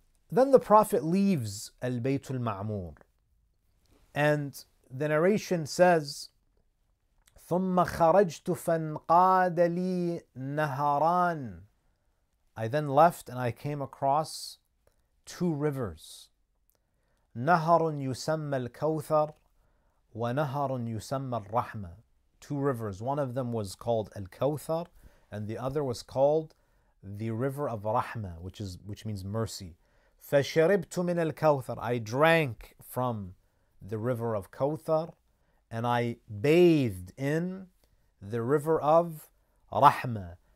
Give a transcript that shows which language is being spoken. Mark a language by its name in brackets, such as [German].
[English] Then the Prophet leaves Al-Bayt Al-Ma'mur. And the narration says, [Arabic] ثُمَّ خَرَجْتُ فَانْقَادَ لِي نَهَرَانِ, [English] I then left and I came across two rivers. [Arabic] نَهَرٌ يُسَمَّ الْكَوْثَرُ وَنَهَرٌ يُسَمَّ الرَّحْمَةُ, [English] two rivers. One of them was called Al-Kawthar and the other was called the river of Rahma, which means mercy. [Arabic] فَشَرِبْتُ مِنَ الْكَوْثَرُ, [English] I drank from the river of Kawthar, and I bathed in the river of Rahmah.